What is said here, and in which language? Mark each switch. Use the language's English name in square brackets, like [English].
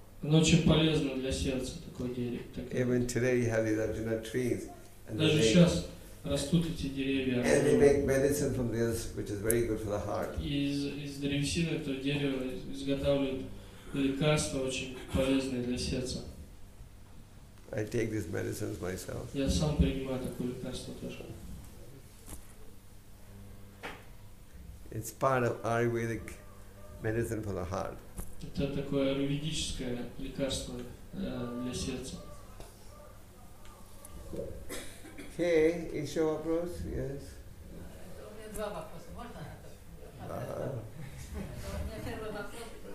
[Russian] Оно очень полезно для сердца, такое дерево. [English] Even today you have these Arjuna trees. [Russian] Даже сейчас растут эти деревья. [English] And they make medicine from this, which is very good for the heart. [Russian] Из древесины этого дерева изготавливают лекарства, очень полезные для сердца. [English] I take these medicines myself. [Russian] Я сам принимаю такое лекарство тоже. [English] It's part of Ayurvedic medicine for the heart. [Russian] Это такое аюрведическое лекарство для сердца. Okay, еще вопрос? Yes. У меня два вопроса. Можно? У меня первый вопрос.